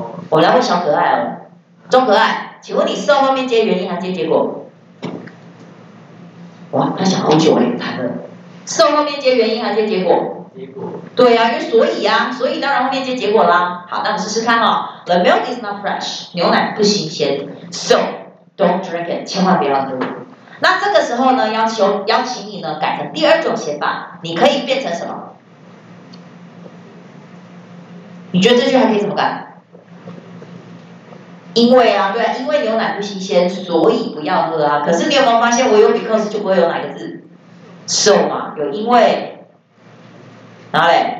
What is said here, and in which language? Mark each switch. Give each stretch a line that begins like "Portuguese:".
Chinese: 我来问小可爱哦，中可爱，请问你 so 后面接原因还接结果？哇，他想好久哎，惨了。so 后面接原因还接结果？结果。对啊，因为所以啊，所以当然后面接结果啦。好，那我们试试看哦。
English: The milk is not fresh，
Chinese: 牛奶不新鲜。
English: So don't drink it，
Chinese: 千万不要喝。那这个时候呢，邀请你呢改成第二种写法，你可以变成什么？你觉得这句还可以怎么改？因为啊，对啊，因为牛奶不新鲜，所以不要喝啊。可是你有没有发现，我有 because 就不会有哪个字 so 嘛？有因为，哪里？